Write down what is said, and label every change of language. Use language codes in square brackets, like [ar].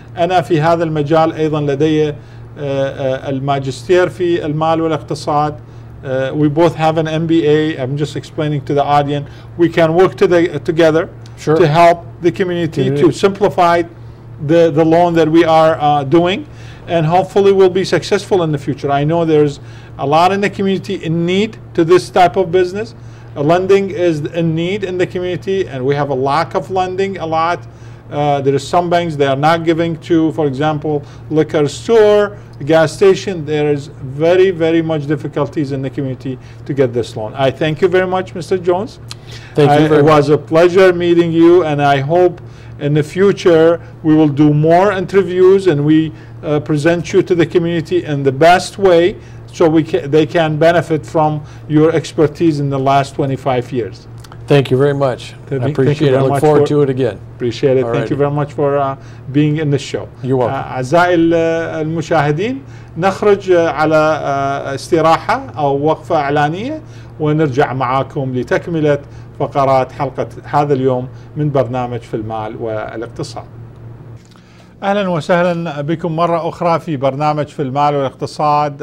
[ar] أنا في هذا المجال أيضا لدي الماجستير في المال والاقتصاد. [en] We both have an MBA. I'm just explaining to the audience. We can work together sure. to help the community mm-hmm. to simplify the loan that we are doing, and hopefully we'll be successful in the future. I know there's a lot in the community in need to this type of business. Lending is in need in the community, and we have a lack of lending a lot. There are some banks they are not giving to, for example, liquor store, gas station. There is very, very much difficulties in the community to get this loan. I thank you very much, Mr. Jones. Thank you very much. It was a pleasure meeting you, and I hope in the future we will do more interviews and we present you to the community in the best way so they can benefit from your expertise in the last 25 years. Thank you very much. I appreciate it. I look forward to it again. Appreciate it. Alrighty. Thank you very much for being in the show. You're welcome. [ar] أعزائي المشاهدين نخرج على استراحة أو وقفة إعلانية ونرجع معاكم لتكملة فقرات حلقة هذا اليوم من برنامج في المال والاقتصاد. أهلا وسهلا بكم مرة أخرى في برنامج في المال والاقتصاد.